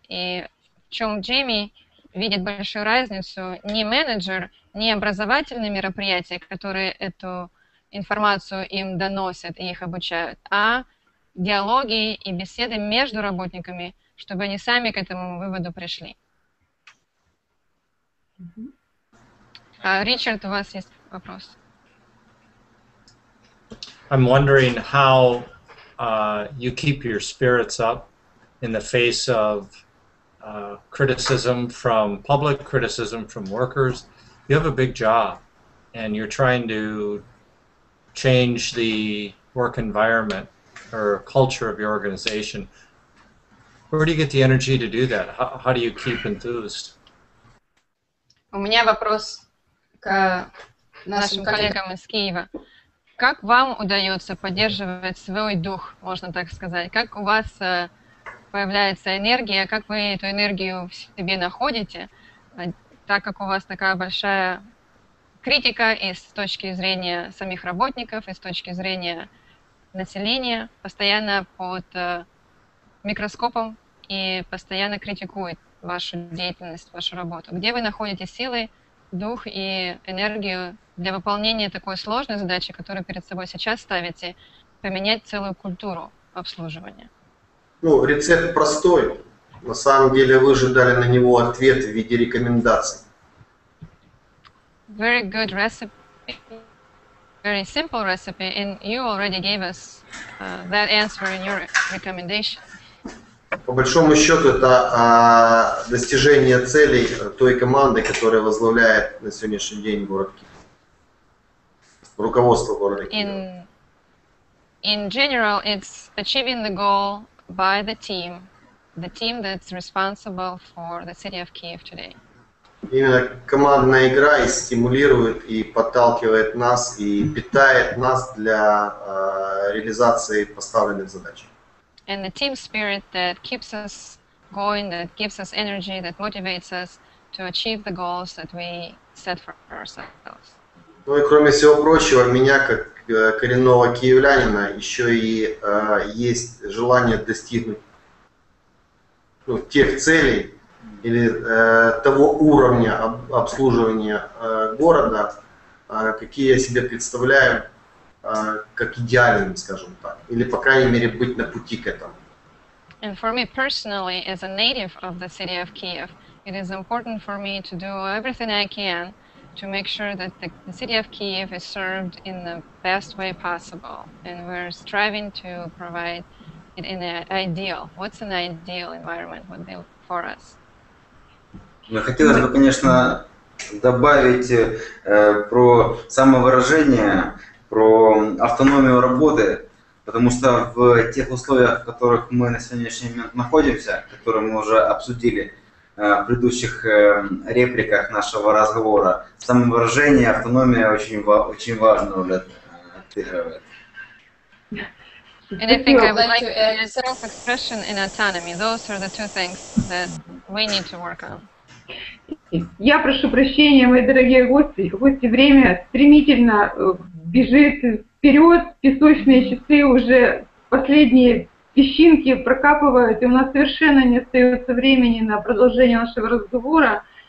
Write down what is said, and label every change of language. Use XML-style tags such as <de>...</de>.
<ru>И в чем Джейми видит большую разницу, не менеджер, не образовательные мероприятия, которые эту информацию им доносят и их обучают, а диалоги и беседы между работниками, чтобы они сами к этому выводу пришли. А, Ричард, у вас есть вопрос?</ru> <en>I'm wondering how you keep your spirits up in the face of criticism from public, criticism from workers. You have a big job, and you're trying to change the work environment or culture of your organization, where do you get the energy to do that? How do you keep enthused?</en> <ru>У меня вопрос к нашим коллегам из Киева. Как вам удается поддерживать свой дух, можно так сказать? Как у вас появляется энергия? Как вы эту энергию в себе находите, так как у вас такая большая критика и с точки зрения самих работников, и с точки зрения населения, постоянно под микроскопом и постоянно критикует вашу деятельность, вашу работу? Где вы находите силы, дух и энергию для выполнения такой сложной задачи, которую перед собой сейчас ставите, поменять целую культуру обслуживания? Ну, рецепт простой. На самом деле вы же дали на него ответ в виде рекомендаций.</ru> <en>Very good recipe, very simple recipe, and you already gave us that answer in your recommendation.</en> <ru>По большому счету, это достижение целей той команды, которая возглавляет на сегодняшний день город Киев, руководство города Киева.</ru> <en>In general, it's achieving the goal by the team that's responsible for the city of Kyiv today.</en> <ru>Именно командная игра и стимулирует, и подталкивает нас, и питает нас для реализации поставленных задач.</ru> <en>And the team spirit that keeps us going, that gives us energy, that motivates us to achieve the goals that we set for ourselves.</en> <ru>Ну и кроме всего прочего, меня как коренного киевлянина еще и есть желание достигнуть, ну, тех целей или того уровня обслуживания города, какие я себе представляю, как идеальным, скажем так, или по крайней мере быть на пути к этому.</ru> <en>And for me personally, as a native of the city of Kyiv, it is important for me to do everything I can to make sure that the city of Kyiv is served in the best way possible, and we're striving to provide it in an ideal. What's an ideal environment would be for us?</en> <ru>Мне хотелось бы, конечно, добавить про самовыражение, про автономию работы, потому что в тех условиях, в которых мы на сегодняшний момент находимся, которые мы уже обсудили в предыдущих репликах нашего разговора, самовыражение, автономия очень важную роль отыгрывает.</ru> <en>And I think I would like to add self-expression and autonomy. Those are the two things that we need to work on.</en> <ru>Я прошу прощения, мои дорогие гости. Гости, время стремительно бежит вперед, песочные часы уже последние песчинки прокапывают, и у нас совершенно не остается времени на продолжение нашего разговора.</ru>